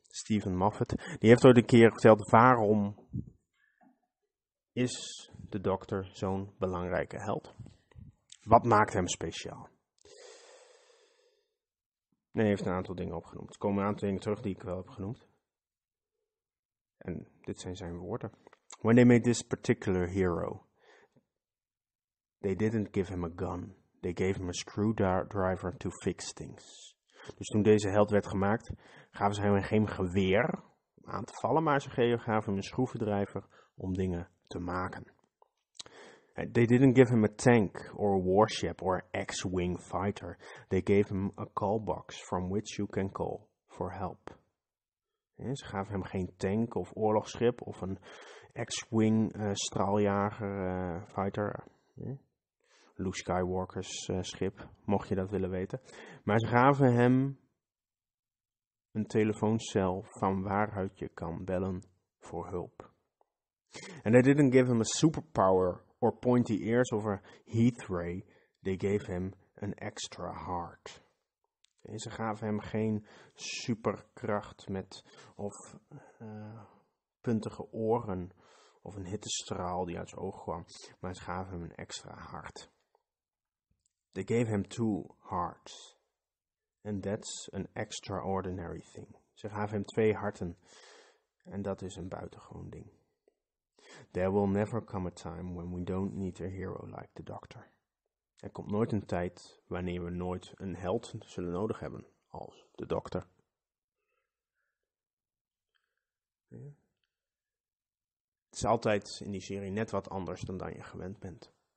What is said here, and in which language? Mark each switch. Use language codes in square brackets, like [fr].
[nl] Stephen Moffat, die heeft ooit een keer verteld waarom is de dokter zo'n belangrijke held? Wat maakt hem speciaal? Nee, hij heeft een aantal dingen opgenoemd. Er komen een aantal dingen terug die ik wel heb genoemd. En dit zijn zijn woorden. [en] When they made this particular hero, they didn't give him a gun. They gave him a screwdriver to fix things. [nl] Dus toen deze held werd gemaakt, gaven ze hem geen geweer om aan te vallen, maar ze gaven hem een schroevendrijver om dingen te maken. [en] They didn't give him a tank or a warship or an X-wing fighter. They gave him a call box from which you can call for help. [nl] En ze gaven hem geen tank of oorlogsschip of een X-wing straaljager fighter. Luke Skywalker's schip, mocht je dat willen weten. Maar ze gaven hem een telefooncel van waaruit je kan bellen voor hulp. [en] And they didn't give him a superpower or pointy ears of a heat ray. They gave him an extra heart. [nl] En ze gaven hem geen superkracht met of puntige oren of een hittestraal die uit zijn ogen kwam, maar ze gaven hem een extra hart. [en] They gave him two hearts. And that's an extraordinary thing. [nl] Ze gaven hem twee harten. En dat is een buitengewoon ding. [en] There will never come a time when we don't need a hero like the Doctor. [nl] Er komt nooit een tijd wanneer we nooit een held zullen nodig hebben als de Doctor. Ja. Het is altijd in die serie net wat anders dan je gewend bent.